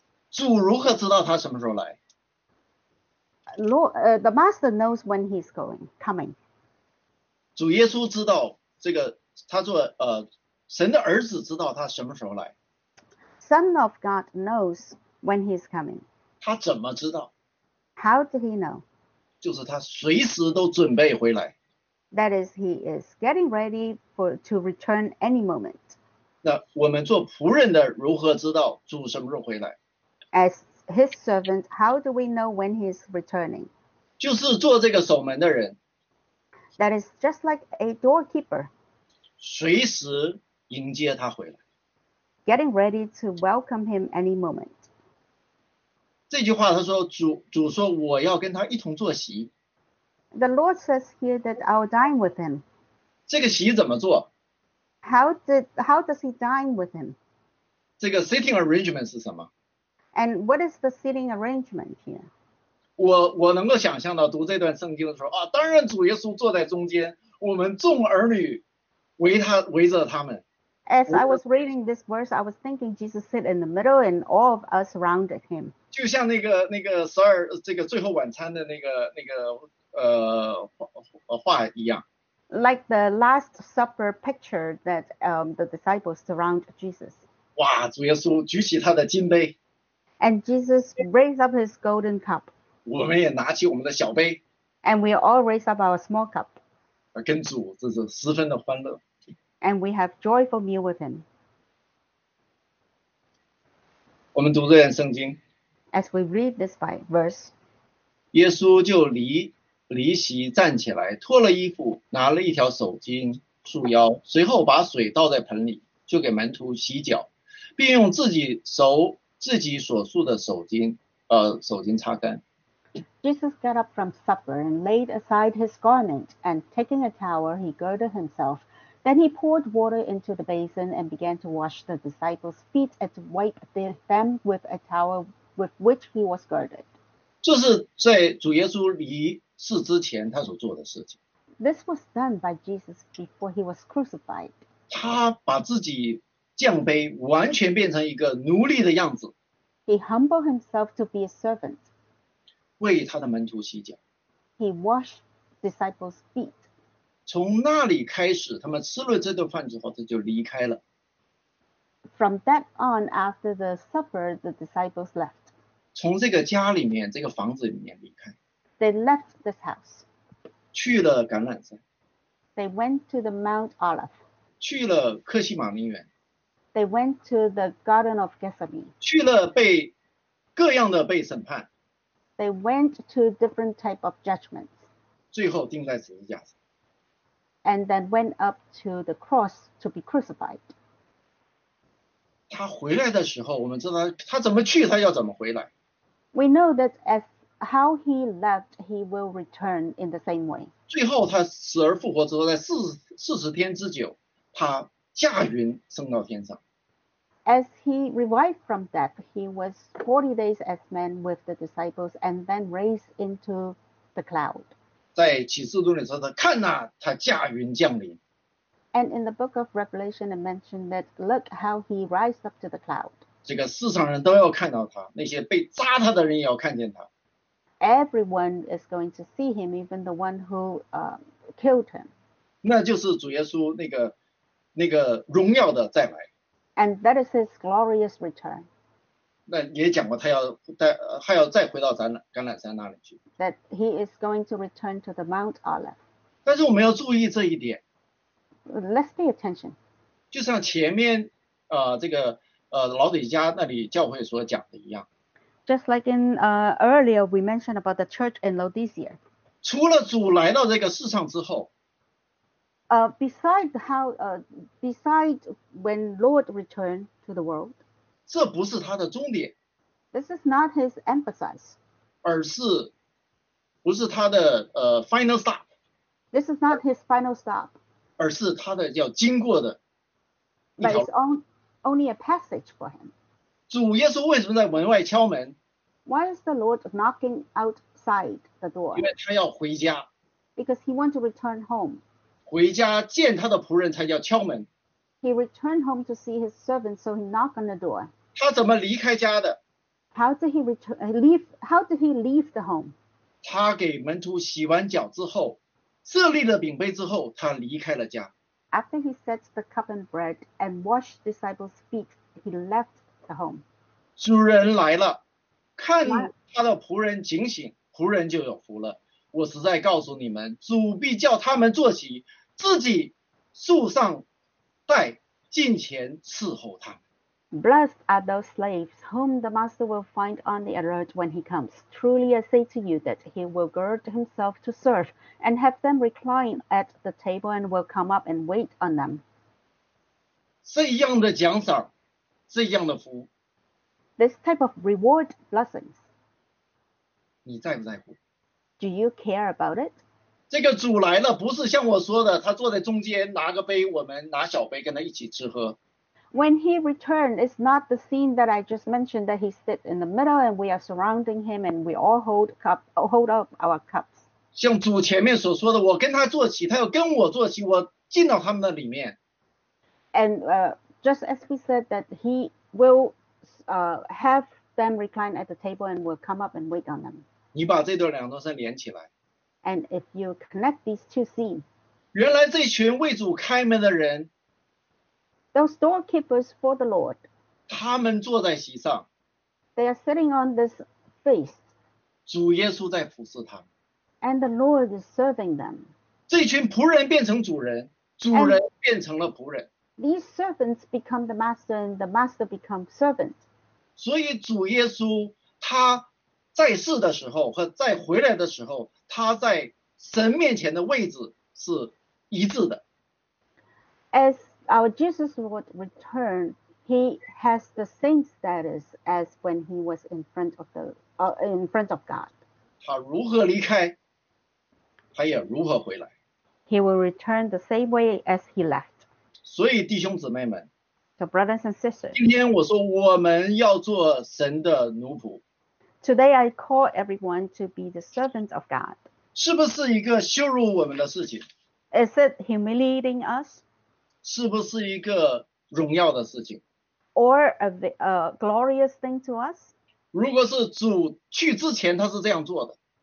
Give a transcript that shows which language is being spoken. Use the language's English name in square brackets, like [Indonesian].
[Chinese] 主如何知道他什么时候来？ [English] The Master knows when he's coming. [Chinese] 主耶稣知道这个，他做神的儿子知道他什么时候来。 [English] Son of God knows when he's coming. [Chinese] 他怎么知道？ [English] How did he know? [Chinese] 就是他随时都准备回来。 [English] That is, he is getting ready to return any moment. [Chinese] 那我们做仆人的如何知道主什么时候回来？ [English] As his servant, how do we know when he's returning? [Chinese] 就是做这个守门的人。 [English] That is just like a doorkeeper. [Chinese] 随时迎接他回来。 [English] Getting ready to welcome him any moment. [Chinese] 这句话他说 主说我要跟他一同坐席。 [English] The Lord says here that I'll dine with him. [Chinese] 这个席怎么做？ [English] How does he dine with him? [Chinese] 这个 [English] sitting arrangement [Chinese] 是什么？ [English] And what is the sitting arrangement here? [Chinese] 我能够想象到读这段圣经的时候啊，当然主耶稣坐在中间，我们众儿女围着他们。 [English] As I was reading this verse, I was thinking Jesus sit in the middle and all of us surrounded him. [Chinese] 就像那个十二这个最后晚餐的那个画一样。 [English] Like the last supper picture that the disciples surround Jesus. [Chinese] 哇，主耶稣举起他的金杯。 [English] And Jesus raised up his golden cup. [Chinese] 我们也拿起我们的小杯。 [English] And we all raised up our small cup. [Chinese] 跟主这是十分的欢乐。 [English] And we have joyful meal with him. [Chinese] 我们读这段圣经。 [English] As we read this verse, [Chinese] 耶稣就离席站起来，脱了衣服，拿了一条手巾束腰，随后把水倒在盆里，就给门徒洗脚，并用自己所束的手巾擦干。 [English] Jesus got up from supper and laid aside his garment, and taking a towel, he girded himself. Then he poured water into the basin and began to wash the disciples' feet and to wipe them with a towel with which he was girded. [Chinese] 这是在主耶稣离世之前他所做的事情。 [English] This was done by Jesus before he was crucified. [Chinese] 他把自己降卑，完全变成一个奴隶的样子。 [English] He humbled himself to be a servant. [Chinese] 为他的门徒洗脚。 [English] He washed disciples' feet. [Chinese] 从那里开始，他们吃了这顿饭之后，他就离开了。 [English] From that on, after the supper, the disciples left. [Chinese] 从这个家里面，这个房子里面离开。 [English] They left this house. [Chinese] 去了橄榄山。 [English] They went to the Mount Olive. [Chinese] 去了克西马尼园。 [English] They went to the Garden of Gethsemane. [Chinese] 去了各样的被审判。 [English] They went to different type of judgments. [Chinese] 最后钉在十字架上。 [English] And then went up to the cross to be crucified. [Chinese] 他回来的时候，我们知道他怎么去，他要怎么回来。 [English] We know that as how he left, he will return in the same way. [Chinese] 最后，他死而复活之后，在四十天之久，他驾云升到天上。 [English] As he revived from death, he was 40 days as man with the disciples and then raised into the cloud. [Chinese] 在启示录里说的，看呐，他驾云降临。 [English] And in the book of Revelation, it mentioned that look how he rise up to the cloud. [Chinese] 这个世上人都要看到他，那些被扎他的人也要看见他。 [English] Everyone is going to see him, even the one who killed him. [Chinese] 那就是主耶稣那个荣耀的再来。 [English] And that is his glorious return. [Chinese] 那也讲过他要带，他要再回到橄榄山那里去。 [English] That he is going to return to the Mount Olive. [Chinese] 但是我们要注意这一点， [English] Let's pay attention. [Chinese] 就像前面这个。老底嘉那里教会所讲的一样， [English] Just like in earlier, we mentioned about the church in Laodicea. [Chinese] 除了主来到这个世上之后， [English] Beside when Lord returned to the world, [Chinese] 这不是他的终点， [English] this is not his emphasis. [Chinese] 而是不是他的 [English] final stop， this is not his final stop. [Chinese] 而是他的要经过的 一 [English] But [Chinese] 条路。 [English] it's only a passage for him. [Chinese] 主耶稣为什么在门外敲门？ [English] Why is the Lord knocking outside the [Chinese] 因为 [English] door? [Chinese] 他要回家， [English] Because he wants to return home. [Chinese] 回家见他的仆人才叫敲门。 [English] He returned home to see his servant, so he knocked on the door. [Chinese] 他怎么离开家的？ [English] How did he leave the home? [Chinese] 他给门徒洗完脚之后，设立了饼杯之后，他离开了家。 [English] After he set the cup and bread and washed disciples' feet, he left the home. [Chinese] 主人来了，看他的仆人警醒，仆人就有福了。我实在告诉你们，主必叫他们坐席，自己束上带，近前伺候他们。 [English] Blessed are those slaves whom the master will find on the alert when he comes. Truly, I say to you that he will gird himself to serve and have them recline at the table and will come up and wait on them. [Chinese] 这样的奖赏，这样的福， [English] This type of reward blessings. [Chinese] 你在不在乎？ [English] Do you care about it? [Chinese] 这个主来了，不是像我说的，他坐在中间拿个杯，我们拿小杯跟他一起吃喝。 [English] When he returned, it's not the scene that I just mentioned that he sits in the middle and we are surrounding him and we all hold up our cups. [Chinese] 像主前面所说的，我跟他坐席，他要跟我坐席，我进到他们的里面。 [English] And just as we said that he will have them recline at the table and will come up and wait on them. [Chinese] 你把这段两段再连起来。 [English] And if you connect these two scenes. [Chinese] 原来这群为主开门的人。 [English] Those doorkeepers for the Lord. [Chinese] 他们坐在席上。 [English] They are sitting on this feast. [Chinese] 主耶稣在服侍他们。 [English] And the Lord is serving them. [Chinese] 这群仆人变成主人，主人变成了仆人。 [English] These servants become the master and the master become servant. [Chinese] 所以主耶稣他在世的时候和再回来的时候，他在神面前的位置是一致的。 [English] As Our Jesus Lord return, he has the same status as when he was in front of God. [Chinese] 他如何离开，他也如何回来。 [English] He will return the same way as he left. [Chinese] 所以弟兄姊妹们， [English] So brothers and sisters, [Chinese] 今天我说我们要做神的奴仆。 [English] Today I call everyone to be the servant of God. [Chinese] 是不是一个羞辱我们的事情？ [English] Is it humiliating us? [Chinese] 是不是一个荣耀的事情 [English] ？Or a glorious thing to us？ [Chinese] 如果是主去之前他是这样做的